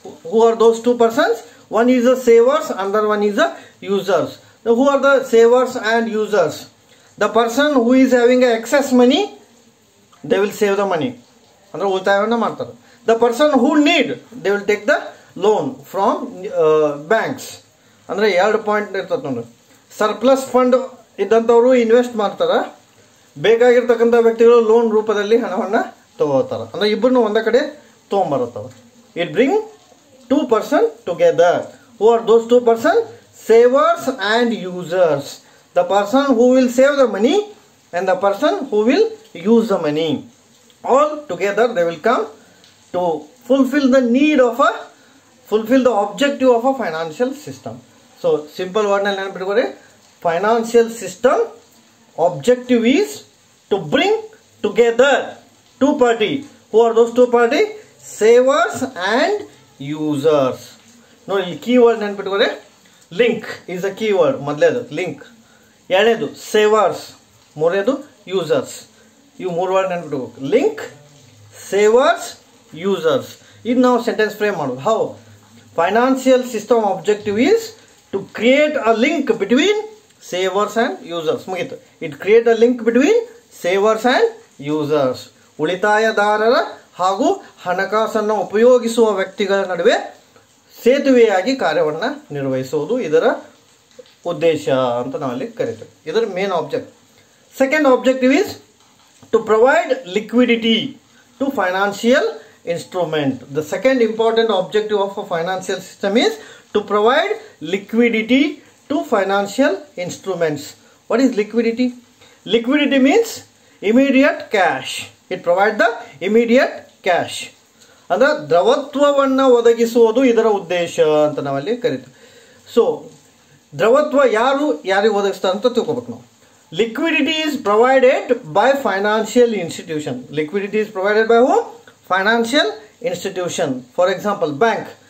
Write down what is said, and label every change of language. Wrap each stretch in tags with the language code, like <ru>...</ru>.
<en>Who are those two persons? One is the savers, another one is the users. Now who are the savers and users? The person who is having excess money, they will save the money.</en> <kn>Andra ultayavanna martaru.</kn> <en>The person who need, they will take the loan from banks.</en> <kn>Andra yard point irthatondu surplus fund ಇದ್ದಂಥವರು invest ಮಾಡ್ತಾರೆ, ಬೇಕಾಗಿರ್ತಕ್ಕಂಥ ವ್ಯಕ್ತಿಗಳು loan ರೂಪದಲ್ಲಿ ಹಣವನ್ನು ತಗೋತಾರೆ. ಅಂದರೆ ಇಬ್ಬರನ್ನು ಒಂದೇ ಕಡೆ ತೊಗೊಂಬರುತ್ತವೆ.</kn> <en>It bring two person together. Who are those two person? Savers and users. The person who will save the money and the person who will use the money. All together they will come to fulfil the need of a fulfil the objective of a financial system.</en> <kn>So simple ವರ್ಡ್ನಲ್ಲಿ ನೆನಪಿಟ್ಕೊಳ್ಳಿ,</kn> <en>financial system objective is to bring together two party. Who are those two party? Savers and users.</en> <kn>Now ಈ key word ನೆನ್ಪಿಟ್ಕೊಳ್ಳಿ,</kn> <en>Link is a key word.</en> <kn>ಮೊದಲೇದು link, ಎರಡನೇದು savers, ಮೂರನೇದು users. ಇವು ಮೂರು word ನೆನ್ಪಿಟ್ಕೋಬೇಕು, link, savers, users. ಇದು ನಾವು sentence frame ಮಾಡೋದು.</kn> <en>How financial system objective is to create a link between savers and users. ಮುಗಿತು. It create a link between savers and users.</en> <kn>ಉಳಿತಾಯದಾರರ ಹಾಗೂ ಹಣಕಾಸನ್ನು ಉಪಯೋಗಿಸುವ ವ್ಯಕ್ತಿಗಳ ನಡುವೆ ಸೇತುವೆಯಾಗಿ ಕಾರ್ಯವನ್ನು ನಿರ್ವಹಿಸುವುದು ಇದರ ಉದ್ದೇಶ ಅಂತ ನಾವಲ್ಲಿ ಕರಿತೇವೆ. ಇದರ main object.</kn> <en>Second objective is to provide liquidity to financial instrument. The second important objective of a financial system is to provide liquidity to financial instruments. What is liquidity? Liquidity means immediate cash. It provides the immediate cash.</en> <kn>ಅಂದ್ರೆ ದ್ರವತ್ವವನ್ನು ಒದಗಿಸುವುದು ಇದರ ಉದ್ದೇಶ ಅಂತ ನಾವಲ್ಲಿ ಕರಿತೀವಿ. So ದ್ರವತ್ವ ಯಾರು ಯಾರಿಗೆ ಒದಗಿಸ್ತಾರೆ ಅಂತ ತಿಳ್ಕೊಬೇಕು ನಾವು.</kn> <en>Liquidity is provided by financial institution. Liquidity is provided by who? Financial institution. For example bank.</en>